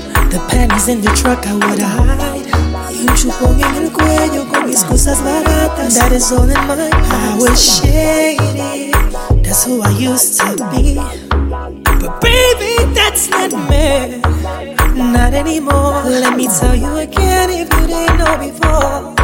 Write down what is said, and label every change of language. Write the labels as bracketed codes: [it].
[en] The panties in the truck I would hide. [es] Y un chupón en el cuello con mis cosas baratas. [en] That is all in my past. I was shady, that's who I used to be. But baby, that's not me, not anymore. Let me tell you again if you didn't know before.